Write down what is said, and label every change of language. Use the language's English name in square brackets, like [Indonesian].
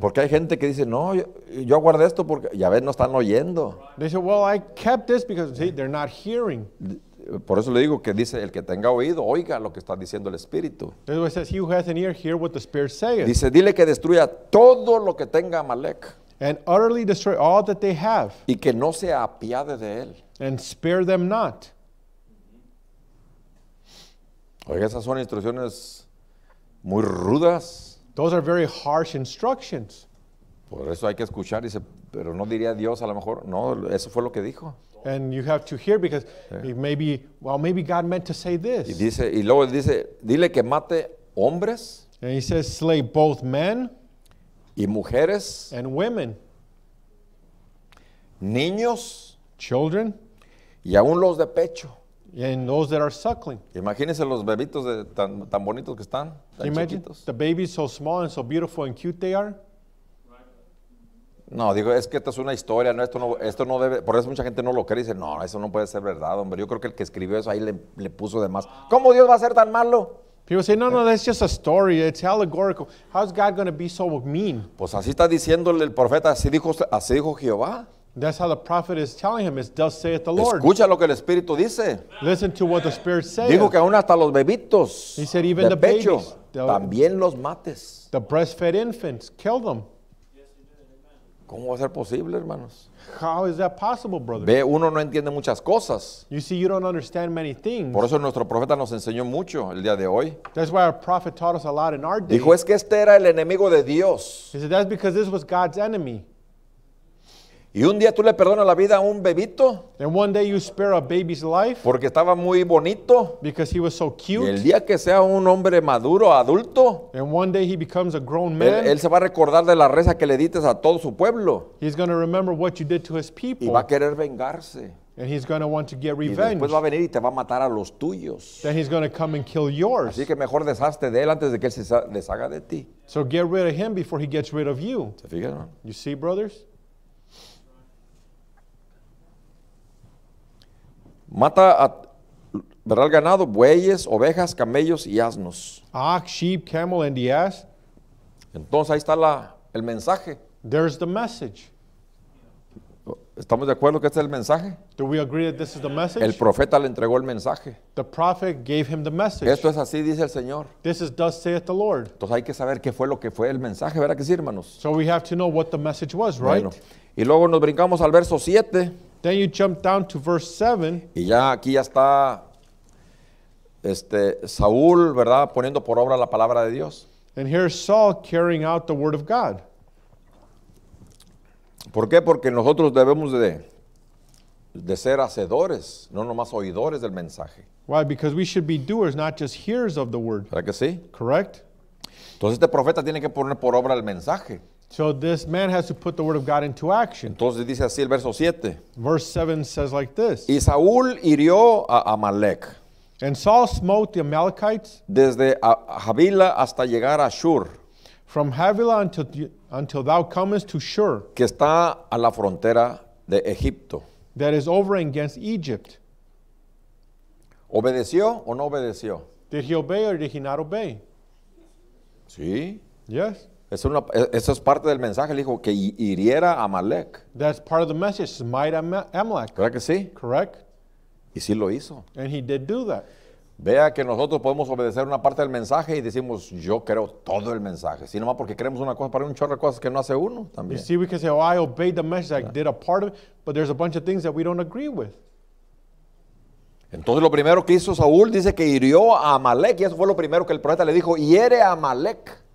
[Spanish] Porque hay gente que dice, no, yo guardé esto porque ya ves, no están oyendo. [English] They said, well, I kept this because see, they're not hearing. [Spanish] Por eso le digo que dice, el que tenga oído, oiga lo que está diciendo el Espíritu. [English] That's why it says, he who has an ear, hear what the Spirit says. [Spanish] Dice, dile que destruya todo lo que tenga Amalek. [English] And utterly destroy all that they have. [Spanish] Y que no se apiade de él. [English] And spare them not. [Spanish] Oiga, esas son instrucciones muy rudas. [English] Those are very harsh instructions. [Spanish] Por eso hay que escuchar, dice, pero no diría Dios a lo mejor. No, eso fue lo que dijo. [English] And you have to hear because maybe God meant to say this. [Spanish] Y luego dice, dile que mate hombres. [English] And he says, slay both men. [Spanish] Y mujeres. [English] And women. [Spanish] Niños. [English] Children. [Spanish] Y aún los de pecho. [English] And those that are suckling. [Spanish] Imagínense los bebitos de tan bonitos que están, tan chiquitos. [English] The babies so small and so beautiful and cute they are. [Spanish] No, digo, es que esta es una historia, no, esto no debe, por eso mucha gente no lo cree y dice, no, eso no puede ser verdad, hombre. Yo creo que el que escribió eso ahí le puso de más. ¿Cómo Dios va a ser tan malo? [English] People say, no, that's just a story. It's allegorical. How's God going to be so mean? [Spanish] Pues así está diciéndole el profeta, así dijo Jehová. [English] That's how the prophet is telling him. It does say it the Lord. [Spanish] Escucha lo que el Espíritu dice. [English] Listen to what the Spirit says. [Spanish] Dijo que aún hasta los bebitos. [English] He said even the [Spanish] pecho, [English] babies. [Spanish] También los mates. [English] The breastfed infants. Kill them. [Spanish] ¿Cómo va a ser posible, hermanos? [English] How is that possible, brother? [Spanish] Ve, uno no entiende muchas cosas. [English] You see, you don't understand many things. [Spanish] Por eso nuestro profeta nos enseñó mucho el día de hoy. [English] That's why our prophet taught us a lot in our day. [Spanish] Dijo, es que este era el enemigo de Dios. [English] He said, that's because this was God's enemy. [Spanish] Y un día tú le perdonas la vida a un bebito. [English] And one day you spare a baby's life. [Spanish] Porque estaba muy bonito. [English] Because he was so cute. [Spanish] Y el día que sea un hombre maduro, adulto. [English] And one day he becomes a grown man. [Spanish] Él se va a recordar de la reza que le diste a todo su pueblo. [English] He's going to remember what you did to his people. [Spanish] Y va a querer vengarse. [English] And he's going to want to get revenge. [Spanish] Y después va a venir y te va a matar a los tuyos. [English] Then he's going to come and kill yours. [Spanish] Así que mejor deshazte de él antes de que él se deshaga de ti. [English] So get rid of him before he gets rid of you. [Spanish] ¿Se fijan? [English] You see, brothers? [Spanish] Mata a, ¿verdad?, el ganado, bueyes, ovejas, camellos y asnos. [English] Ox, sheep, camel, and the ass. [Spanish] Entonces ahí está el mensaje. [English] There's the message. [Spanish] ¿Estamos de acuerdo que este es el mensaje? [English] Do we agree that this is the message? [Spanish] El profeta le entregó el mensaje. [English] The prophet gave him the message. [Spanish] Esto es así, dice el Señor. [English] This is thus saith the Lord. [Spanish] Entonces hay que saber qué fue lo que fue el mensaje, ¿verdad que sí, hermanos? [English] So we have to know what the message was, right? [Spanish] Bueno, y luego nos brincamos al verso 7. [English] Then you jump down to verse 7. [Spanish] Y ya aquí ya está Saúl, ¿verdad?, poniendo por obra la palabra de Dios. [English] And here's Saul carrying out the word of God. [Spanish] ¿Por qué? Porque nosotros debemos de ser hacedores, no nomás oidores del mensaje. [English] Why? Because we should be doers, not just hearers of the word. [Spanish] ¿Verdad que sí? [English] Correct. [Spanish] Entonces este profeta tiene que poner por obra el mensaje. [English] So this man has to put the word of God into action. [Spanish] Entonces dice así el verso 7. [English] Verse 7 says like this. [Spanish] Y Saúl hirió a Amalek. [English] And Saul smote the Amalekites. [Spanish] Desde Havilah hasta llegar a Shur. [English] From Havilah until thou comest to Shur. [Spanish] Que está a la frontera de Egipto. [English] That is over against Egypt. [Spanish] ¿Obedeció o no obedeció? [English] Did he obey or did he not obey? [Spanish] Sí. [English] Yes. [Spanish] Eso es parte del mensaje. Le dijo que hiriera a Amalek. [English] That's part of the message. Smite Amalek. [Spanish] ¿Verdad que sí? [English] Correct. [Spanish] Y sí lo hizo. [English] And he did do that. [Spanish] Vea que nosotros podemos obedecer una parte del mensaje y decimos, yo creo todo el mensaje. Si nomás porque creemos una cosa, para un chorro de cosas que no hace uno también. [English] You see, we can say, oh, I obeyed the message, I did a part of it, but there's a bunch of things that we don't agree with. [Spanish] Entonces lo primero que hizo Saúl, dice que hirió a Amalek, y eso fue lo primero que el profeta le dijo, hiere a Amalek.